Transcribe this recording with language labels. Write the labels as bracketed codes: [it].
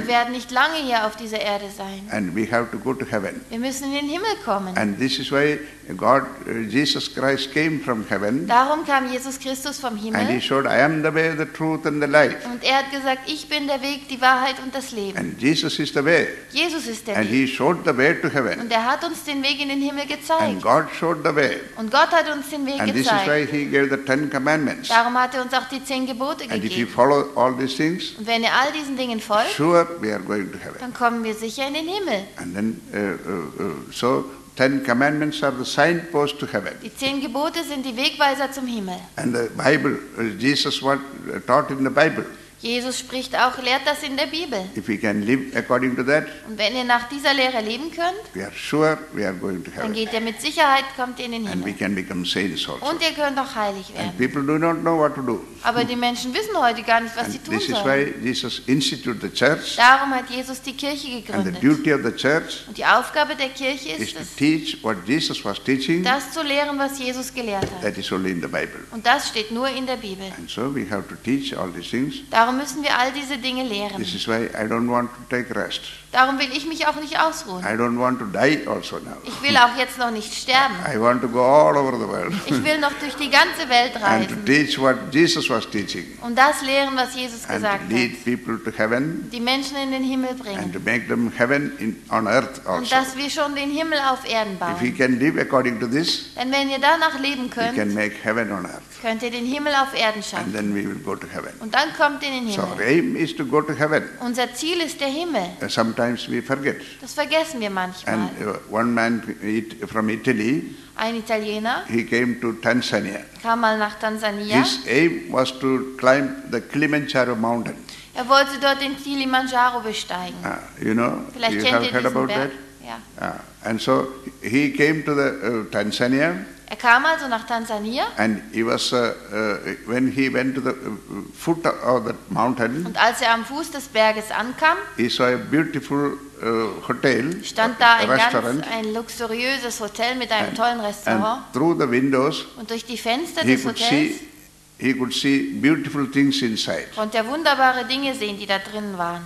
[de] Wir werden nicht lange hier auf dieser Erde sein. [en] And we have to go to heaven. [de] Wir müssen in den Himmel kommen. [en] And this is why God, Jesus Christ came from heaven. [de] Darum kam Jesus Christus vom Himmel. [en] And he showed, I am the way, the truth and the life. [de] Und er hat gesagt, ich bin der Weg, die Wahrheit und das Leben. [en] And Jesus is the way. [de] Jesus ist der [en] and [de] Weg. [en] And he showed the way to heaven. [de] Und er hat uns den Weg in den Himmel gezeigt. [en] And God showed the way. [de] Und Gott hat uns den Weg [en] and [de] gezeigt. [en] And this is why he gave the Ten Commandments. [de] Darum hat er uns auch die Zehn Gebote [en] and [de] gegeben. [en] And if you follow all these things, [de] und wenn ihr all diesen Dingen folgt, [en] sure we are going to heaven. [de] Dann kommen wir sicher in den Himmel. [en] And then, so, Ten Commandments are the signpost to heaven. [de] Die Zehn Gebote sind die Wegweiser zum Himmel. [en] And the Bible, Jesus taught in the Bible. [de] Jesus spricht auch, lehrt das in der Bibel. [en] If we can live according to that, [de] und wenn ihr nach dieser Lehre leben könnt, [en] we are sure we are going to heaven. [de] Dann geht ihr mit Sicherheit, kommt ihr in den Himmel. [en] And we can become saints also. [de] Und ihr könnt auch heilig werden. [en] And people do not know what to do. [de] Aber die Menschen wissen heute gar nicht, was [en] and [de] sie tun [en] this [de] sollen. [en] Is why Jesus instituted the church, [de] darum hat Jesus die Kirche gegründet. [en] And the duty of the church [de] und die Aufgabe der Kirche ist es, [en] to teach what Jesus was teaching, [de] das zu lehren, was Jesus gelehrt hat. [en] That is only in the Bible. [de] Und das steht nur in der Bibel. [en] And so we have to teach all these things. [de] Darum müssen wir all diese Dinge lehren. [en] This is why I don't want to take rest. [de] Darum will ich mich auch nicht ausruhen. [en] I don't want to die also now. [de] Ich will auch jetzt noch nicht sterben. [en] I want to go all over the world. [de] Ich will noch durch die ganze Welt reisen. [en] And to teach what Jesus was teaching. [de] Und das lehren, was Jesus [en] and [de] gesagt [en] to lead [de] hat. [en] People to heaven. [de] Die Menschen in den Himmel bringen. [en] And to make them heaven in, on earth also. [de] Und dass wir schon den Himmel auf Erden bauen. [en] If we can live according to this, [de] denn wenn ihr danach leben könnt, [en] we can make heaven on earth. [de] Könnt ihr den Himmel auf Erden schaffen. [en] And then we will go to heaven. [de] Und dann kommt ihr in den Himmel. [en] So our aim is to go to heaven. [de] Unser Ziel ist der Himmel. [en] Sometimes we forget. [de] Das vergessen wir manchmal. [en] And one man from Italy, [de] ein Italiener, [en] he came to Tanzania. [de] Kam mal nach Tansania. [en] His aim was to climb the Kilimanjaro mountain. [de] Er wollte dort den Kilimanjaro besteigen. [en] You know, [de] vielleicht [en] you [de] kennt [en] have [de] ihr [en] heard [de] diesen [en] about That? Yeah. And so he came to the Tanzania. [de] Er kam also nach Tansania. [en] And he was when he went to the foot of the mountain. [de] Und als er am Fuß des Berges ankam, [en] he saw a beautiful hotel. [de] Stand da ein Restaurant, ganz ein luxuriöses Hotel mit einem tollen Restaurant. [en] And through the windows. [de] Und durch die Fenster des Hotels. [en] He could see beautiful things inside. [de] Konnte er wunderbare Dinge sehen, die da drinnen waren.